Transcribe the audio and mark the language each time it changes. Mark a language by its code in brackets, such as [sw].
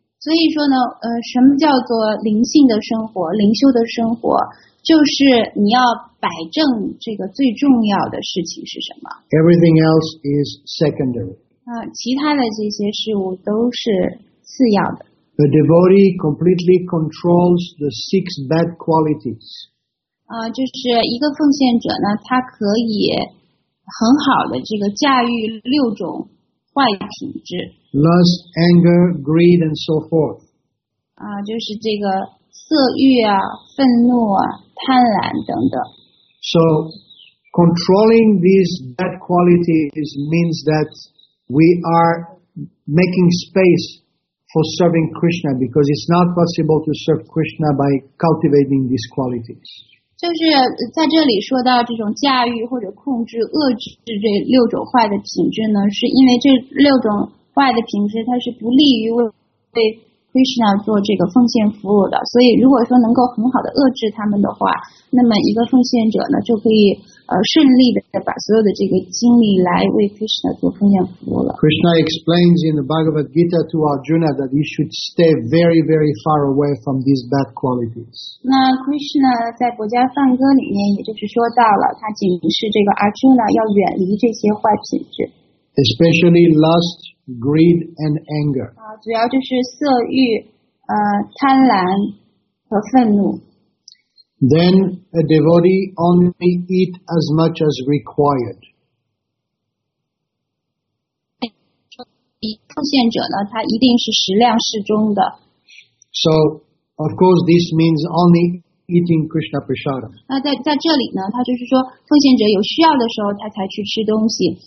[zh] 所以说呢，什么叫做灵性的生活，灵修的生活，就是你要摆正这个最重要的事情是什么。 [en] Everything else is secondary. [zh] 其他的这些事物都是次要的。 [en] The devotee completely controls the six bad qualities. [zh] 就是一个奉献者呢，他可以很好的这个驾驭六种坏品质。 [en] Lust, anger, greed, and so forth. [zh] 就是这个色欲啊、愤怒啊、贪婪等等。 [en] So controlling these bad qualities means that we are making space for serving Krishna because it's not possible to serve Krishna by cultivating these qualities. [zh] 就是在这里说到这种驾驭或者控制、遏制这六种坏的品质呢，是因为这六种坏的品质它是不利于为 Krishna 做这个奉献服务的。所以如果说能够很好的遏制他们的话，那么一个奉献者呢就可以顺利的把所有的这个精力来为 Krishna 做奉献服务了。 [en] Krishna explains in the Bhagavad Gita to Arjuna that he should stay very, very far away from these bad qualities. [zh] 那 Krishna 在国家梵歌里面也就是说到了，他警示这个 Arjuna 要远离这些坏品质。 [en] Especially lust, greed, and anger. [zh] 主要就是色欲、贪婪和愤怒。 [en] then a devotee only eat as much as required. [zh] 奉献者呢, 他一定是食量适中的。 [en] So, of course, this means only eating Krishna prasadam. [zh] 那在这里呢, 他就是说, 奉献者有需要的时候, 他才去吃东西。